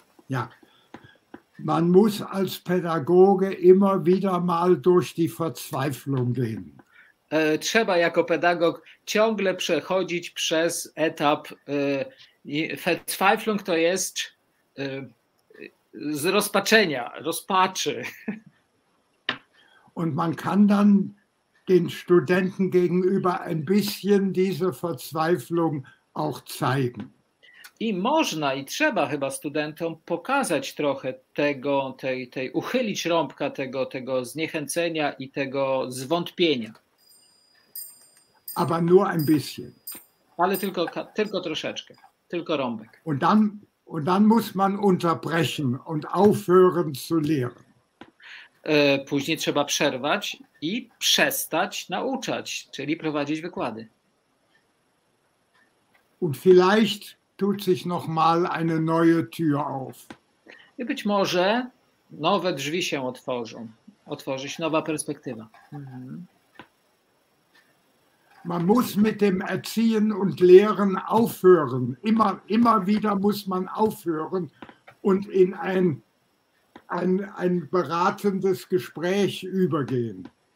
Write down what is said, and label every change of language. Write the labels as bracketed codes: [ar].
[de] Ja, man muss als Pädagoge immer wieder mal durch die Verzweiflung gehen. [pl] Trzeba jako pedagog ciągle przechodzić przez etap Verzweiflung, to jest z rozpaczenia, rozpaczy. [de] Und man kann dann den Studenten gegenüber ein bisschen diese Verzweiflung auch zeigen. [pl] I można i trzeba chyba studentom pokazać trochę tego, tej uchylić rąbka tego zniechęcenia i tego zwątpienia. [de] Aber nur ein bisschen. [pl] Ale tylko troszeczkę, tylko rąbek. [de] Und dann muss man unterbrechen und aufhören zu lehren. [pl] Później trzeba przerwać i przestać nauczać, czyli prowadzić wykłady. [de] Und vielleicht tut sich noch mal eine neue Tür auf. [pl] I być może nowe drzwi się otworzą. Otworzy się nowa perspektywa. [de] Man muss mit dem Erziehen und Lehren aufhören. Immer wieder muss man aufhören und in ein beratendes Gespräch übergehen.